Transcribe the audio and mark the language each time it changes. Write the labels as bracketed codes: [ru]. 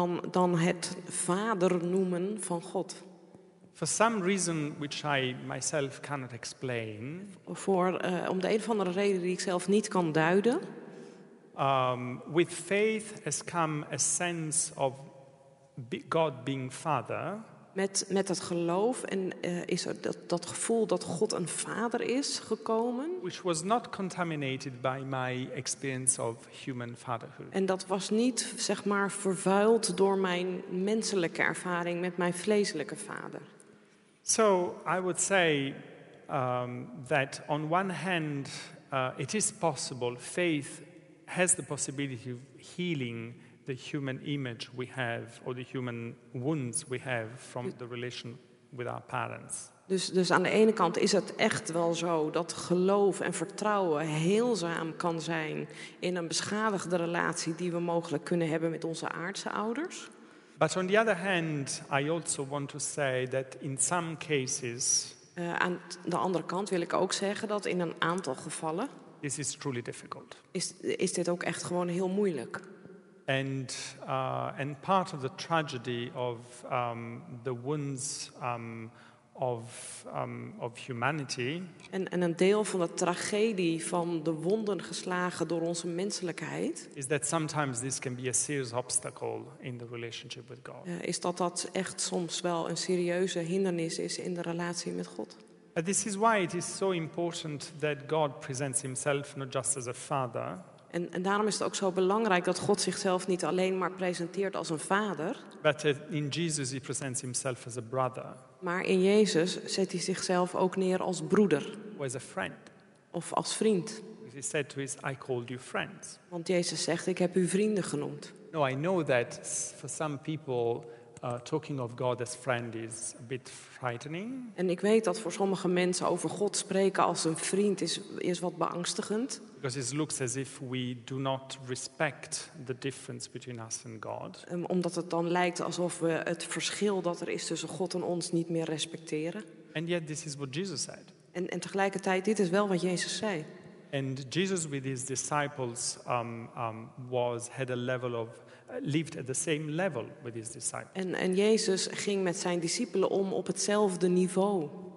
[nl] Dan het vader noemen van God. [en] For some reason which I myself cannot explain. [nl] Om de een of andere reden die ik zelf niet kan duiden. [en] With faith has come a sense of God being father. [nl] Met het geloof en is er dat gevoel dat God een vader is gekomen. [en] Which was not contaminated by my experience of human fatherhood. [nl] En dat was niet zeg maar vervuild door mijn menselijke ervaring met mijn vleeselijke vader. [en] So I would say that on one hand it is possible, faith has the possibility of healing the human image we have, or the human wounds we have from the relation with our parents. [nl] Dus aan de ene kant is het echt wel zo dat geloof en vertrouwen heelzaam kan zijn in een beschadigde relatie die we mogelijk kunnen hebben met onze aardse ouders. [en] But on the other hand, I also want to say that in some cases. [nl] Aan de andere kant wil ik ook zeggen dat in een aantal gevallen. [en] This is truly difficult. [nl] Is dit ook echt gewoon heel moeilijk? [en] And part of the tragedy of the wounds. Of humanity. [nl] En een deel van de tragedie van de wonden geslagen door onze menselijkheid. [en] Is that sometimes this can be a serious obstacle in the relationship with God. [nl] Is dat echt soms wel een serieuze hindernis is in de relatie met God. [en] But this is why it is so important that God presents himself not just as a father. [nl] En daarom is het ook zo belangrijk dat God zichzelf niet alleen maar presenteert als een vader. [en] But in Jesus he presents himself as a brother. [nl] Maar in Jezus zet hij zichzelf ook neer als broeder. [en] Or as a friend. [nl] Of als vriend. [en] He said to his, I called you friends. [nl] Want Jezus zegt, ik heb u vrienden genoemd. [en] No, I know that for some people talking of God as friend is a bit frightening. [nl] En ik weet dat voor sommige mensen over God spreken als een vriend is wat beangstigend. [en] Because it looks as if we do not respect the difference between us and God. [nl] Omdat het dan lijkt alsof we het verschil dat er is tussen God en ons niet meer respecteren. [en] And yet this is what Jesus said. [nl] En tegelijkertijd dit is wel wat Jezus zei. [en] And Jesus with his disciples had a level of lived at the same level with his disciples. [nl] En Jezus ging met zijn discipelen om op hetzelfde niveau.